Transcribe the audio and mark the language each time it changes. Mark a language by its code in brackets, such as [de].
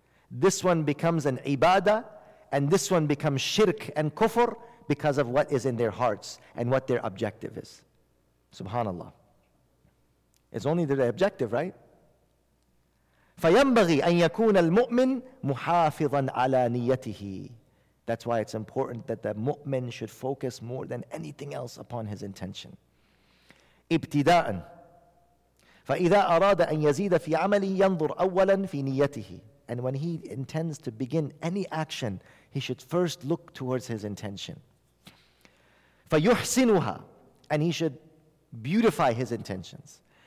[en] This one becomes an ibadah, and this one becomes shirk and kufr because of what is in their hearts and what their objective is. Subhanallah. It's only the objective, right? [ar] فَيَنْبَغِي أَن يَكُونَ الْمُؤْمِنْ مُحَافِظًا عَلَى نِيَّتِهِ. [en] That's why it's important that the mu'min should focus more than anything else upon his intention. [ar] ابتداءً فَإِذَا أَرَادَ أَن يَزِيدَ فِي عَمَلِهِ يَنْظُرْ أَوَّلًا فِي نِيَّتِهِ. [en] And when he intends to begin any action, he should first look towards his intention. [ar] فَيُحْسِنُهَا. [en] And he should beautify his intentions.